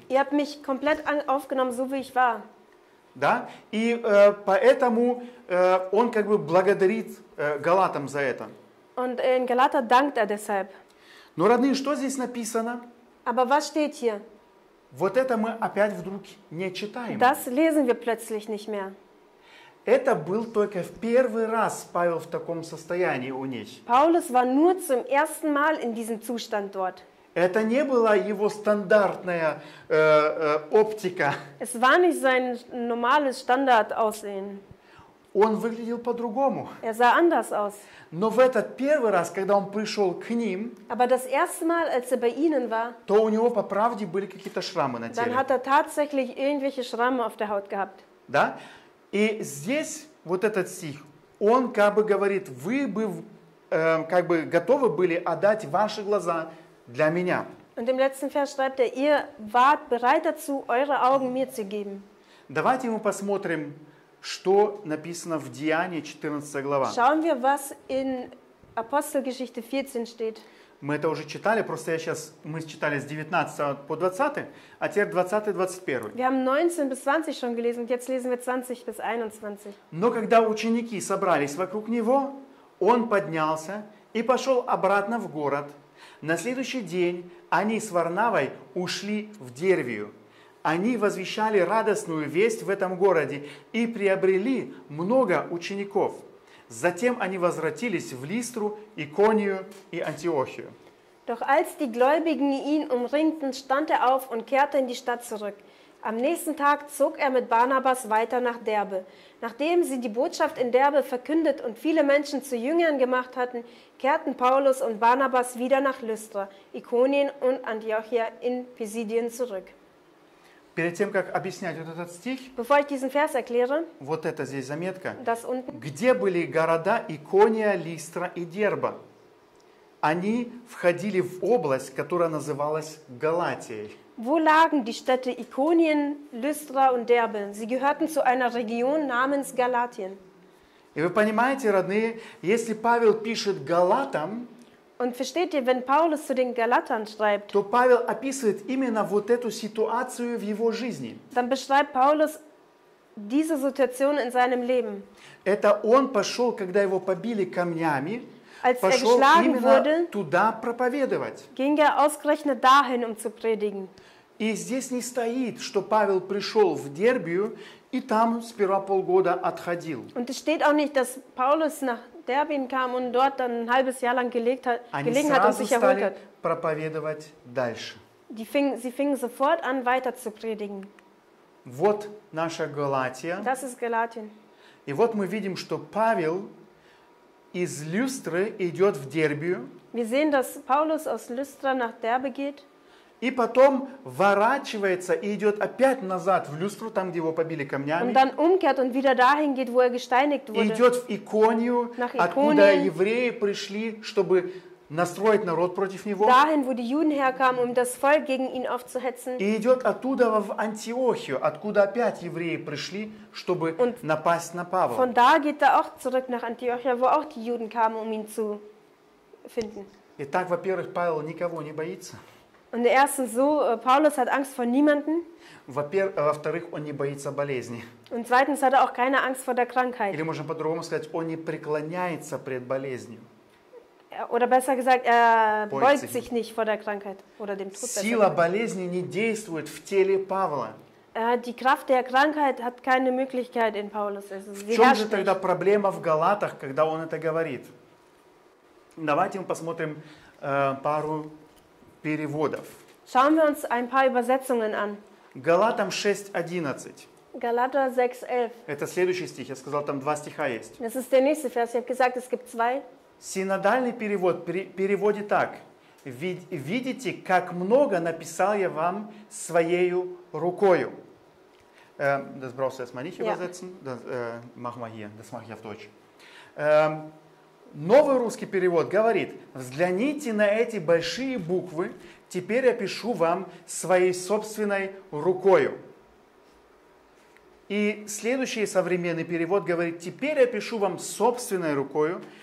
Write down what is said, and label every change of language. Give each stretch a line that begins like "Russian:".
German: Ihr habt mich komplett aufgenommen, so wie ich war.
Russian: Да, и поэтому он как бы благодарит Галатам за это.
German: Und in Galater dankt er deshalb.
Russian: Но, родные, что здесь написано?
German: Aber was steht hier?
Russian: Вот это мы опять вдруг не читаем.
German: Das lesen wir plötzlich nicht mehr.
Russian: Это был только в первый раз Павел в таком состоянии у них.
German: Paulus war nur zum ersten Mal in diesem Zustand dort.
Russian: Это не была его стандартная оптика.
German: Es war nicht sein normales Standardaussehen.
Russian: Он выглядел по-другому.
German: Er sah anders aus.
Russian: Но в этот первый раз, когда он пришел к ним,
German: aber das erste Mal, als er bei ihnen war,
Russian: то у него по правде были какие-то шрамы на теле.
German: Dann hat er tatsächlich irgendwelche Schramme auf der Haut gehabt.
Russian: Да? И здесь вот этот стих, он как бы говорит, вы бы как бы готовы были отдать ваши глаза для меня.
German: Und im letzten Vers schreibt er, ihr wart bereit dazu, eure Augen mir zu geben.
Russian: Давайте мы посмотрим, что написано в Деяния 14 глава.
German: Schauen wir, was in Apostelgeschichte 14 steht.
Russian: Мы это уже читали, просто я сейчас, мы читали с 19 по 20, а теперь 20-21.
German: Wir haben 19 bis 20 schon gelesen, und jetzt lesen wir 20 bis 21.
Russian: Но когда ученики собрались вокруг него, он поднялся и пошел обратно в город. На следующий день они с Варнавой ушли в Дервию. Они возвещали радостную весть в этом городе и приобрели много учеников. Затем они возвратились в Листру, Иконию и Антиохию.
German: Doch als die Gläubigen ihn umringten, stand er auf und kehrte in die Stadt zurück. Am nächsten Tag zog er mit Barnabas weiter nach Derbe. Nachdem sie die Botschaft in Derbe verkündet und viele Menschen zu Jüngern gemacht hatten, kehrten Paulus und Barnabas wieder nach Lystra, Ikonien und Antiochia in Pisidien zurück.
Russian: Перед тем, как объяснять вот этот стих,
German: bevor ich diesen Vers erkläre,
Russian: вот это здесь заметка,
German: das unten,
Russian: где были города Икония, Листра и Дерба. Они входили в область, которая называлась Галатией.
German: Wo lagen die Städte Ikonien, Lystra und Derbe? Sie gehörten zu einer Region namens Galatien.
Russian: И вы понимаете, родные, если Павел пишет Галатам,
German: und versteht ihr, wenn Paulus zu den Galatern schreibt,
Russian: то Павел описывает именно вот эту ситуацию в его жизни.
German: Dann beschreibt Paulus diese Situation in seinem Leben.
Russian: Это он пошел, когда его побили камнями,
German: als er geschlagen wurde,
Russian: туда проповедовать.
German: Ging er ausgerechnet dahin, um zu predigen.
Russian: И здесь не стоит, что Павел пришел в Дербию и там сперва полгода отходил.
German: Und es steht auch nicht, dass Paulus nach Derbien kam und dort dann ein halbes Jahr lang gelegen hat und sich erholt hat.
Russian: Проповедовать дальше.
German: Sie fingen sofort an, weiter zu predigen.
Russian: Вот наша Галатия.
German: Das ist Galatien.
Russian: И вот мы видим, что Павел из Люстры идет в Дербию.
German: Wir sehen, dass Paulus aus Lystra nach Derbe geht.
Russian: И потом ворачивается и идет опять назад в Люстру, там, где его побили камнями.
German: Und dann umkehrt und wieder dahin geht, wo er gesteinigt wurde.
Russian: И идет в Иконию, откуда евреи пришли, чтобы настроить народ против него.
German: Dahin, wo die Juden herkamen, um das Volk gegen ihn aufzuhetzen.
Russian: И идет оттуда в Антиохию, откуда опять евреи пришли, чтобы напасть на Павла.
German: Von da geht er auch zurück nach Antiochia, wo auch die Juden kamen, um ihn zu finden.
Russian: Итак, во-первых, Павел никого не боится.
German: Und erstens so, Paulus hat Angst vor niemanden.
Russian: Во-вторых, он не боится болезни.
German: Und zweitens hat er auch keine Angst vor der Krankheit.
Russian: Или можно по-другому сказать, он не преклоняется пред болезнью.
German: Oder besser gesagt, er beugt sich nicht vor der Krankheit oder dem Tod.
Russian: Сила болезни не действует в теле Павла.
German: Die Kraft der Krankheit hat keine Möglichkeit in Paulus.
Russian: В чем же тогда проблема в Галатах, когда он это говорит? Давайте мы посмотрим пару переводов.
German: Schauen wir uns ein paar Übersetzungen an.
Russian: Галатам 6:11.
German: Galater 6:11.
Russian: Это следующий стих. Я сказал, там два стиха есть.
German: Das ist der nächste Vers. Ich habe gesagt, es gibt zwei.
Russian: Синодальный перевод переводит так: видите, как много написал я вам своею рукою.
German: Das brauchst du erstmal nicht übersetzen. Ja. Das machen wir hier. Das mache ich auf Deutsch.
Russian: Новый русский перевод говорит: взгляните на эти большие буквы. Теперь я пишу вам своей собственной рукою. И следующий современный перевод говорит: теперь я пишу вам собственной рукою.